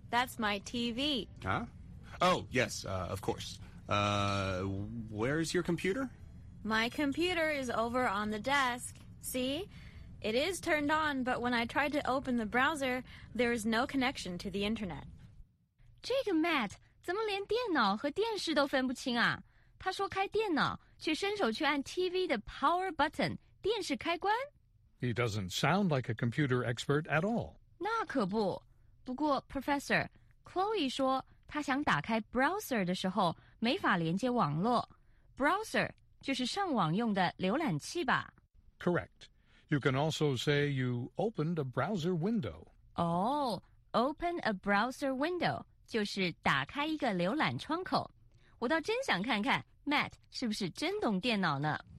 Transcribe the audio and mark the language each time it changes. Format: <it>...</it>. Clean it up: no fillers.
<en>That's my TV. Huh? Oh, yes, of course. Where's your computer? My computer is over on the desk. See? It is turned on, but when I tried to open the browser, there is no connection to the internet. Jake and Matt...</en> <zh>怎么连电脑和电视都分不清啊？他说开电脑，却伸手去按 TV 的</zh> <en>power button</en> <zh>电视开关。</zh> <en>He doesn't sound like a computer expert at all.</en> <zh>那可不。不过 Professor Chloe 说，他想打开 browser 的时候没法连接网络。 Browser 就是上网用的浏览器吧</zh> <en>？Correct. You can also say you opened a browser window. Oh, open a browser window.</en> <zh>就是打开一个浏览窗口，我倒真想看看 Matt 是不是真懂电脑呢。</zh>